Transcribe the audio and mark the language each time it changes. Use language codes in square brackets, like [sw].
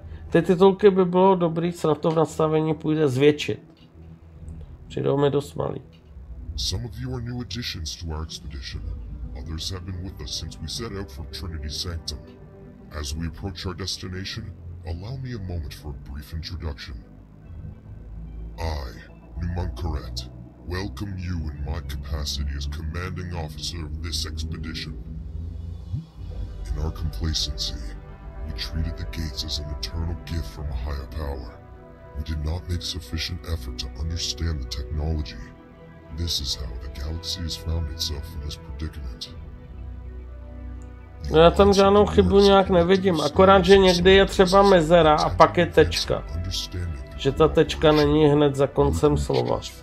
[cs] Ty titulky by bylo dobrý, co na to v nastavení půjde zvětšit. Přijdou mi dost malý. [en] Some of you are new additions to our expedition. Others have been with us since we set out for Trinity Sanctum. As we approach our destination, allow me a moment for a brief introduction. I, Numancuret, welcome you in my capacity as commanding officer of this expedition. In our complacency, we treated the gates as an eternal gift from a higher power. We did not make sufficient effort to understand the technology. This is how the galaxy has found itself in this predicament. [cs] No, já tam žádnou chybu nějak nevidím, akorát, že někdy je třeba mezera a pak je tečka. Že ta tečka není hned za koncem slova.